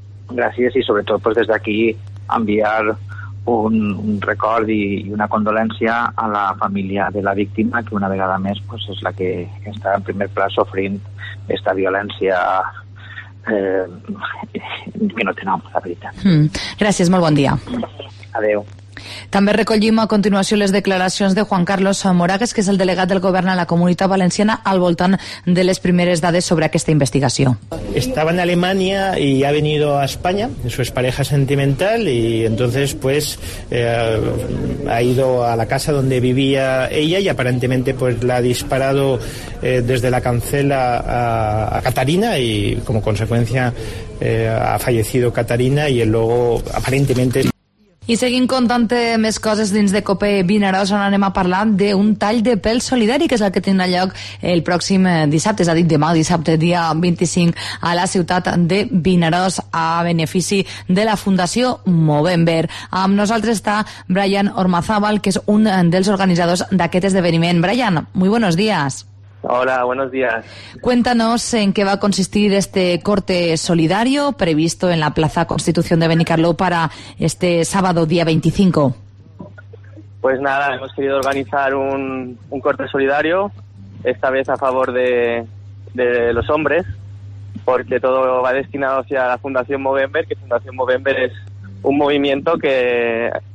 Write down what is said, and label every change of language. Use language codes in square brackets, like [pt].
[ca] Gràcies i sobretot, pues, des d'aquí enviar un record i una condolència a la família de la víctima, que una vegada més, pues, és la que està en primer pla sofrint aquesta violència que no té nom, la veritat. Gràcies, molt bon dia. Adeu. També recollim a continuació les declaracions de Juan Carlos Moragues, que és el delegat del govern a la Comunitat Valenciana, al voltant de les primeres dades sobre aquesta investigació. [es] Estaba en Alemania y ha venido a España, su expareja sentimental, y entonces pues ha ido a la casa donde vivía ella y aparentemente pues la ha disparado desde la cancela a Catarina y como consecuencia ha fallecido Catarina y él luego aparentemente... [ca] I seguim contant més coses dins de COPE Vinaròs, on anem a parlar d'un tall de pèl solidari, que és el que tindrà lloc el pròxim dissabte, és a dir, demà dissabte, dia 25, a la ciutat de Vinaròs, a benefici de la Fundació Movember. Amb nosaltres està Brian Ormazábal, que és un dels organitzadors d'aquest esdeveniment. [es] Brian, muy buenos días. Hola, buenos días. Cuéntanos en qué va a consistir este corte solidario previsto en la Plaza Constitución de Benicarló para este sábado, día 25. Pues nada, hemos querido organizar un corte solidario, esta vez a favor de los hombres, porque todo va destinado hacia la Fundación Movember, que Fundación Movember es un movimiento que